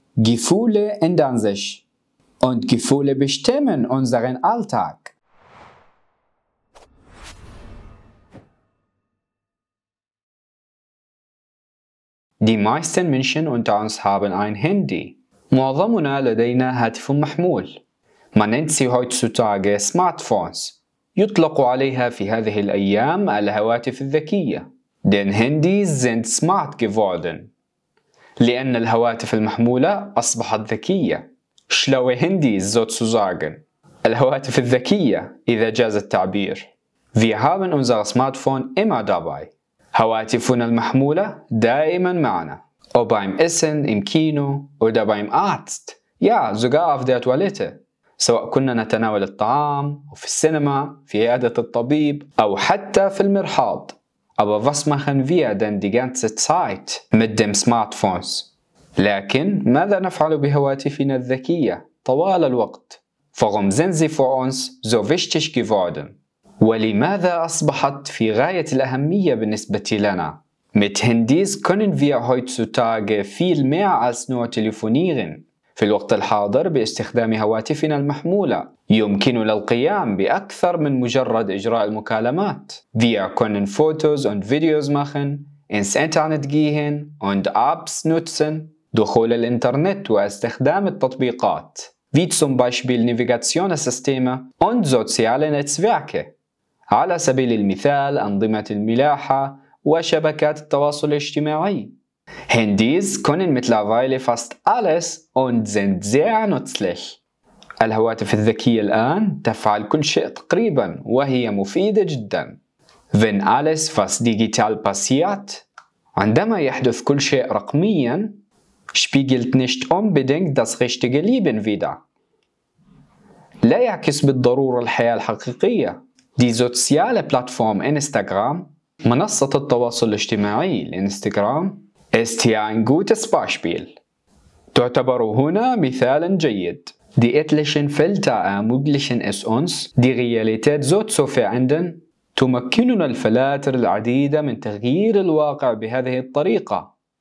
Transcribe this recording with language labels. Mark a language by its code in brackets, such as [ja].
[de] Gefühle ändern sich. Und Gefühle bestimmen unseren Alltag. Die meisten Menschen unter uns haben ein Handy. [ar] معظمنا لدينا هاتف محمول. [de] Man nennt sie heutzutage Smartphones. [ar] يطلق عليها في هذه الأيام الهواتف الذكية. [de] Denn Handys sind smart geworden. [ar] لأن الهواتف المحمولة أصبحت ذكية. [de] Schlaue Handys sozusagen. [ar] الهواتف الذكية إذا جاز التعبير. [de] Wir haben unser Smartphone immer dabei. [ar] هواتفنا المحمولة دائما معنا. أو [de] beim Essen, im Kino oder beim Arzt. Ja, sogar auf der Toilette. [ar] سواء كنا نتناول الطعام أو في السينما في عيادة الطبيب أو حتى في المرحاض. [de] Aber was machen wir denn die ganze Zeit mit dem Smartphones? [ar] لكن ماذا نفعل بهواتفنا الذكية طوال الوقت؟ [de] Warum sind sie für uns so wichtig geworden? [ar] ولماذا أصبحت في غاية الأهمية بالنسبة لنا؟ [de] Mit Handys können wir heutzutage viel mehr als nur telefonieren. [ar] في الوقت الحاضر باستخدام هواتفنا المحمولة يمكننا القيام بأكثر من مجرد إجراء المكالمات [de] via können Fotos und Videos machen, ins Internet gehen und Apps nutzen, [ar] دخول الإنترنت واستخدام التطبيقات [de] wie zum Beispiel Navigationssysteme und soziale Netzwerke. [ar] على سبيل المثال أنظمة الملاحة وشبكات التواصل الاجتماعي. [de] Handys können mittlerweile fast alles und sind sehr nützlich. [ar] الهواتف الذكية الآن تفعل كل شيء تقريبا وهي مفيدة جدا. [de] Wenn alles fast digital passiert, [ar] عندما يحدث كل شيء رقميا, [de] spiegelt nicht unbedingt das richtige Leben wider. [ar] لا يعكس بالضرورة الحياة الحقيقية. [de] Die soziale Plattform Instagram, [ar] منصة التواصل الاجتماعي الانستغرام, [de] ist hier ein gutes Beispiel. [ar] تعتبر هنا مثالا جيد. [de] Die etlichen Filter ermöglichen es uns, die Realität so zu verändern, [ar] تمكننا الفلاتر العديدة من تغيير الواقع بهذه الطريقة.